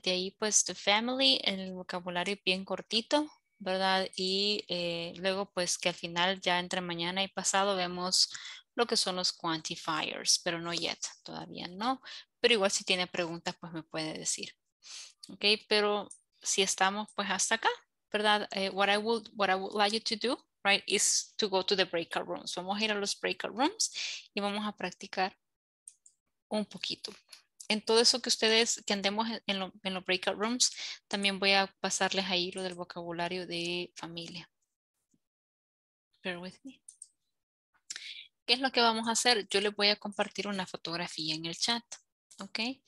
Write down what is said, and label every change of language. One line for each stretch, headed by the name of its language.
Spanish: De ahí, pues,
English: the family,
Spanish: el vocabulario bien cortito, ¿verdad? Y luego, pues, que al final, ya entre mañana y pasado, vemos lo que son los quantifiers, pero no
English: yet,
Spanish: todavía no. Pero igual, si tiene preguntas, pues, me puede decir. Ok, pero si estamos, pues, hasta acá, ¿verdad?
English: What I would like you to do, right, is to go to the breakout rooms.
Spanish: Vamos a ir a los breakout rooms y vamos a practicar un poquito. En todo eso que ustedes, que andemos en los breakout rooms, también voy a pasarles ahí lo del vocabulario de familia.
English: Bear with me.
Spanish: ¿Qué es lo que vamos a hacer? Yo les voy a compartir una fotografía en el chat. ¿Ok?